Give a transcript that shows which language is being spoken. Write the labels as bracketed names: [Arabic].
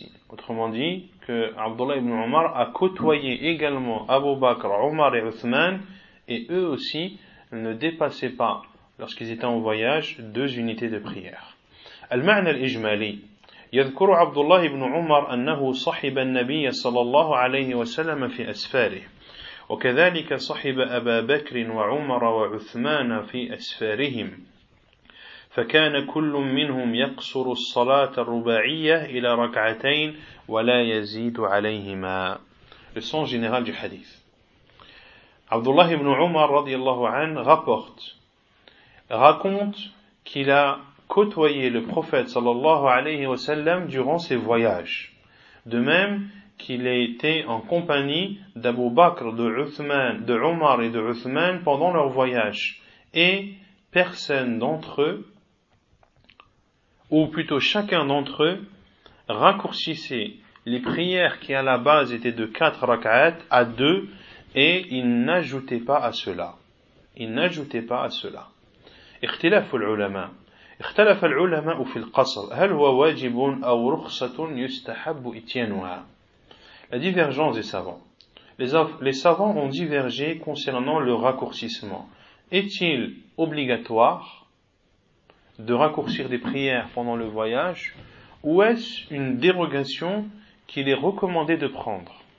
[French] Autrement dit, que Abdullah ibn Omar a côtoyé également Abu Bakr, Omar et Uthman, et eux aussi ne dépassaient pas, lorsqu'ils étaient en voyage, deux unités de prière. [Arabic] Al-Ma'na al-Ijmali. يذكر عبد الله بن عمر أنه صحب النبي صلى الله عليه وسلم في أسفاره. وكذلك صحب أبا بكر وعمر وعثمان في أسفارهم فكان كل منهم يقصر الصلاة الرباعية إلى ركعتين ولا يزيد عليهما. [French] Le sens général du hadith. Abdullah ibn Umar radiallahu an raconte qu'il a côtoyé le prophète sallallahu alayhi wa sallam durant ses voyages. De même qu'il a été en compagnie d'Abu Bakr, de Uthman, de Umar et de Uthman pendant leur voyage. Et personne d'entre eux, ou plutôt chacun d'entre eux, raccourcissait les prières qui à la base étaient de 4 rak'at à 2, et il n'ajoutait pas à cela. Il n'ajoutait pas à cela. [Arabic] اختلاف العلماء. اختلف العلماء في القصر. هل هو واجب أو رخصة يستحب إتيانها؟ [French] La divergence des savants. Les savants ont divergé concernant le raccourcissement. Est-il obligatoire de raccourcir des prières pendant le voyage, ou est-ce une dérogation qu'il est recommandé de prendre?